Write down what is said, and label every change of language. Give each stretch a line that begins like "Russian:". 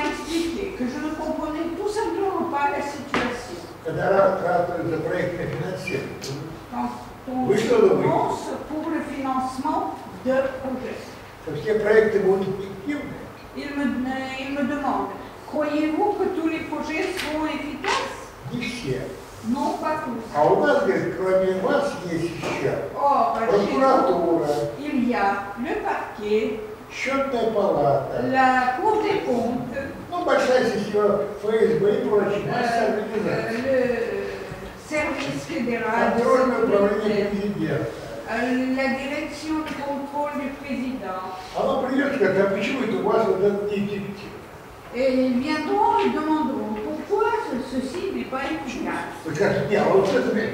French: expliqué que je ne comprenais tout simplement pas la situation.
Russian: Когда рассказывают за проектное финансирование, вы что думаете? Что все проекты будут эффективны?
French: Il me demande, croyez-vous que tous les projets seront efficaces?
Russian: Не все.
French: Non, pas tous.
Russian: А у нас, говорит, кроме вас есть еще
French: прокуратура, il y a le parquet,
Russian: счетная палата,
French: la Cour des comptes,
Russian: большая система ФСБ и прочее, масса организации. Сервис федерал. Контрольное управление президента.
French: La direction de contrôle du président.
Russian: Оно придет, как, а почему это у вас вот этот неэффектив?
French: Et viendront et demanderont, pourquoi ceci n'est pas efficace?